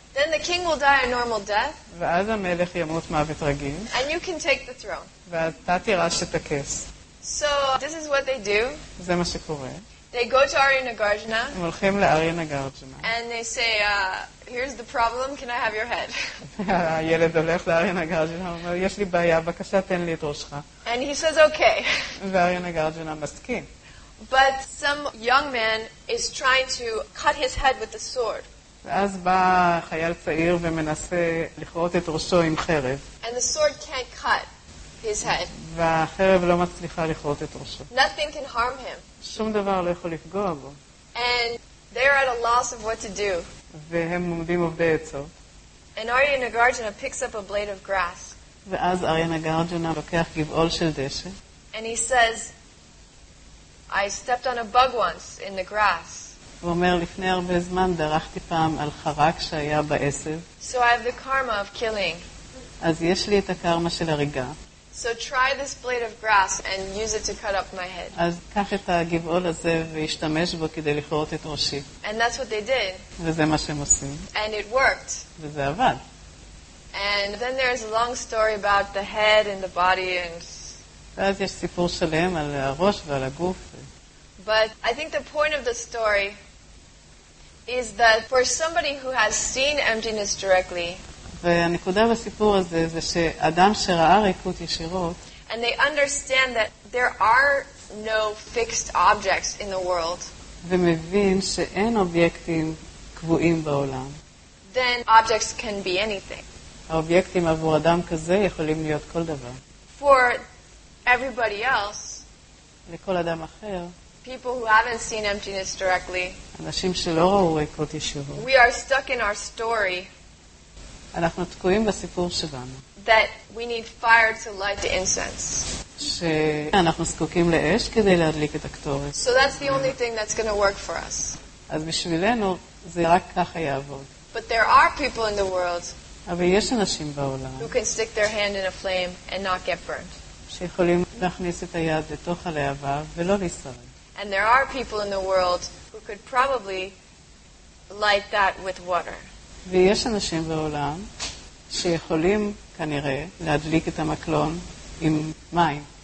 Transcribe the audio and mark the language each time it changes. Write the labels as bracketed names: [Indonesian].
[English] Then the king will die a normal death. [Hebrew] ואז המלך ימות מוות רגיל. [English] And you can take the throne. [Hebrew] ואתה תירש את הכס. [English] So this is what they do. [Hebrew] זה מה שקורה. [English] They go to Aryanagarjuna. [Hebrew] הם הולכים לאריאנגרג'נה. [English] And they say, here's the problem, can I have your head? [Hebrew] הילד הולך לאריאנגרג'נה, אומר, יש לי בעיה, בבקשה תן לי את ראשך. [English] And he says, okay. [Hebrew] ואריאנגרג'נה מסכים. [English] But some young man is trying to cut his head with the sword. [Hebrew] ואז בא חייל צעיר ומנסה לכרות את ראשו עם חרב. [English] And the sword can't cut his head. [Hebrew] והחרב לא מצליחה לכרות את ראשו. [English] Nothing can harm him. [Hebrew] שום דבר לא יכול לפגוע בו. [English] And they're at a loss of what to do. [Hebrew] והם עומדים עובדי עצות. [English] And Aryanagarjuna picks up a blade of grass. [Hebrew] ואז אריאנגרג'ונה לוקח גבעול של דשא. [English] And he says, I stepped on a bug once in the grass. [Hebrew] הוא אומר, לפני הרבה זמן דרכתי פעם על חרק שהיה בעשב. [English] So I have the karma of killing. [Hebrew] אז יש לי את הקרמה של הריגה. [English] So try this blade of grass and use it to cut up my head. [Hebrew] אז קח את הגבעול הזה והשתמש בו כדי לכרות את ראשי. [English] And that's what they did. [Hebrew] וזה מה שהם עושים. [English] And it worked. [Hebrew] וזה עבד. [English] And then there's a long story about the head and the body and... [Hebrew] ואז יש סיפור שלם על הראש ועל הגוף. [English] But I think the point of the story is that for somebody who has seen emptiness directly, [Hebrew] והנקודה בסיפור הזה זה שאדם שראה ריקות ישירות, [English] and they understand that there are no fixed objects in the world, [Hebrew] ומבין שאין אובייקטים קבועים בעולם, [English] then objects can be anything. [Hebrew] האובייקטים עבור אדם כזה יכולים להיות כל דבר. [English] For everybody else, [Hebrew] לכל אדם אחר, [English] people who haven't seen emptiness directly, [Hebrew] אנשים שלא ראו ריקות ישירות, [English] we are stuck in our story. [Hebrew] אנחנו תקועים בסיפור שלנו. [English] That we need fire to light the incense. [Hebrew] שאנחנו זקוקים לאש כדי להדליק את הקטורת. [English] So that's the only thing that's going to work for us. [Hebrew] אז בשבילנו זה רק ככה יעבוד. [English] But there are people in the world. [Hebrew] אבל יש אנשים בעולם. [English] Who can stick their hand in a flame and not get burned. [Hebrew] שיכולים להכניס את היד לתוך הלהבה ולא להסתרד. [English] And there are people in the world who could probably light that with water. [Hebrew] ויש אנשים בעולם שיכולים כנראה להדליק את המקלון עם מים.